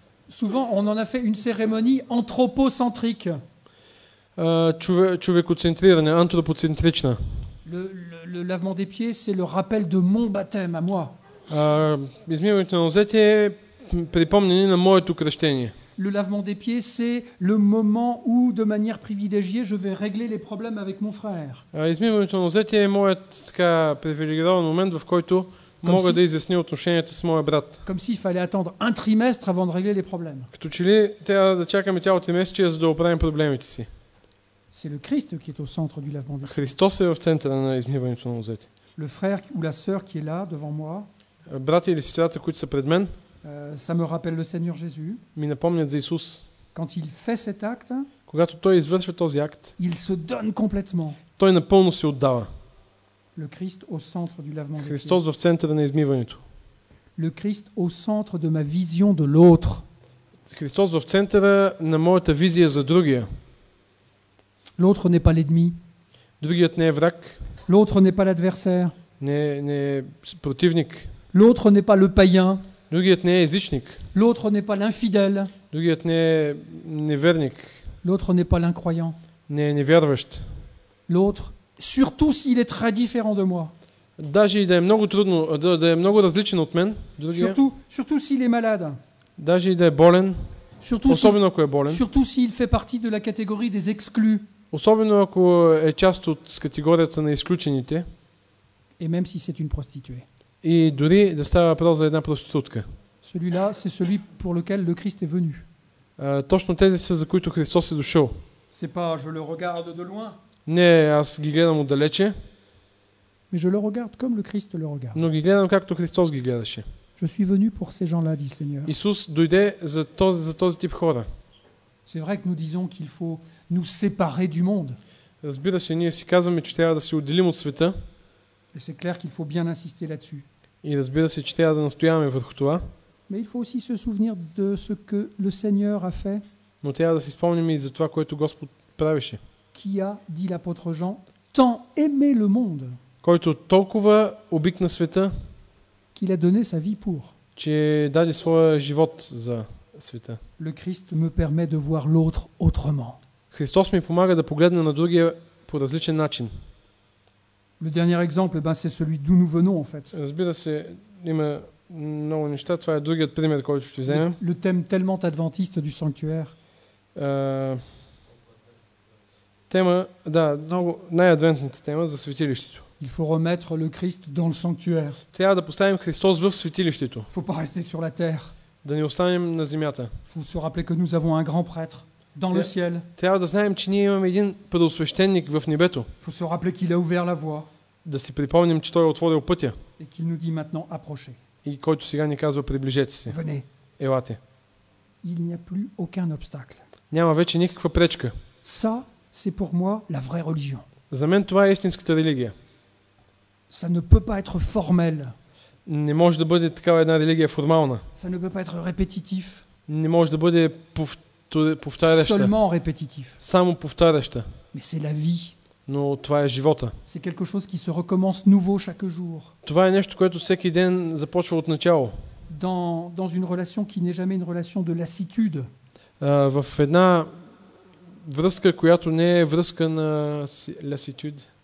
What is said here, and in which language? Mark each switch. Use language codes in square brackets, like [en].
[fr] Souvent on en a fait une cérémonie anthropocentrique. [bg] Човекоцентрирана, антропоцентрична. [fr] Le lavement des pieds, c'est le rappel de mon baptême à moi. [bg] Измиването на нозете е припомнение на моето кръщение. [fr] Le lavement des pieds, c'est le moment où de manière privilégiée, je vais régler les problèmes avec mon frère. [bg] Измиването на нозете е моят така привилегирован момент, в който мога да изясня отношенията с моя брат. [fr] Comme s'il fallait attendre un trimestre avant de régler les problèmes. [bg] Като че ли трябва да чакаме цяло тримесечие, за да оправим проблемите си. [fr] C'est le Christ qui est au centre du lavement des pieds. [bg] Христос е в центъра на измиването на нозете. [fr] Le frère ou la sœur qui est là devant moi. [bg] Брат или сестрата, които са пред мен. [fr] Ça me rappelle le Seigneur Jésus. [bg] Ми напомнят за Исус. [fr] Quand il fait cet acte. [bg] Когато той извършва този акт. [fr] Il se donne complètement. [bg] Той напълно се отдава. [fr] Le Christ au centre du lavement des pieds. [bg] Христос в центъра на измиването. [fr] Le Christ au centre de ma vision de l'autre. [bg] Христос в центъра на моята визия за другия. [fr] L'autre n'est pas l'ennemi. [bg] Другият не е враг. [fr] L'autre n'est pas l'adversaire. [bg] Не е противник. [fr] L'autre n'est pas le païen. [bg] Другият не е езичник. [fr] L'autre n'est pas l'infidèle. [bg] Другият не е неверник. [fr] L'autre n'est pas l'incroyant. [bg] Не е невярващ. [fr] L'autre, surtout s'il est très différent de moi. [bg] Даже да е много трудно, да е много различен от мен. Другия. [fr] Surtout s'il est malade. [bg] Даже да е болен. Особено ако е болен. [fr] Surtout s'il fait partie de la catégorie des exclus. [bg] Особено ако е част от категорията на изключените. [fr] Et même si c'est une prostituée. [bg] И дори да става въпрос за една проститутка. [fr] Celui-là, c'est celui pour lequel le Christ est venu. [bg] Точно тези са, за които Христос е дошъл. [fr] C'est pas je le regarde de loin. [bg] Не, аз ги гледам отдалече. [fr] Mais je le regarde comme le Christ le regarde. [bg] Но ги гледам както Христос ги гледаше. [fr] Je suis venu pour ces gens-là, dit Seigneur. [bg] Исус дойде за този тип хора. [fr] C'est vrai que nous disons qu'il faut nous séparer du monde. [bg] Разбира се, ние си казваме, че трябва да се отделим от света. [fr] Et c'est clair qu'il faut bien insister là-dessus. [bg] И разбира се, че трябва да настояваме върху това. [fr] Mais il faut aussi se souvenir de ce que le Seigneur a fait. [bg] Но трябва да си спомним и за това, което Господ правеше. [fr] Qui a, dit l'apôtre Jean, tant aimé le monde. [bg] Който толкова обикна света. [fr] Qu'il a donné sa vie pour. [bg] Че даде своя живот за света. [fr] Le Christ me permet de voir l'autre autrement. [bg] Христос ми помага да погледна на другия по различен начин. [fr] Le dernier exemple, c'est celui d'où nous venons en fait. [bg] Разбира се, има много неща. Това е другият пример, който ще вземем. [fr] Le thème tellement adventiste du sanctuaire. [bg] Тема, да, много, най-адвентната тема за светилището. [fr] Il faut remettre le Christ dans le sanctuaire. [bg] Трябва да поставим Христос в светилището. [fr] Il faut pas rester sur la terre. [bg] Да не останем на земята. [fr] Il faut se rappeler que nous avons un grand prêtre dans le ciel. [bg] Трябва да знаем, че ние имаме един предосвещеник в небето. [fr] Il faut se rappeler qu'il a ouvert la voie. [bg] Да си припомним, че той е отворил пътя. [fr] Et qu'il nous dit maintenant approchez. [bg] И който сега ни казва приближете се. [fr] Venez. [bg] Елате. [fr] Il n'y a plus aucun obstacle. [bg] Няма вече никаква пречка. [fr] Ça, c'est pour moi la vraie religion. [bg] За мен това е истинската религия. [fr] Ça ne peut pas être formel. [bg] Не може да бъде такава една религия формална. [fr] Ça ne peut pas être répétitif. [bg] Не може да бъде повтаряща. [fr] Seulement répétitif. [bg] Само повтаряща. [fr] Mais c'est la vie. [bg] Но това е живота. [fr] C'est quelque chose qui se recommence nouveau chaque jour. [bg] Това е нещо, което всеки ден започва от начало. [fr] Dans une relation qui n'est jamais une relation de lassitude. [bg] В една връзка, която не е връзка на lassitude.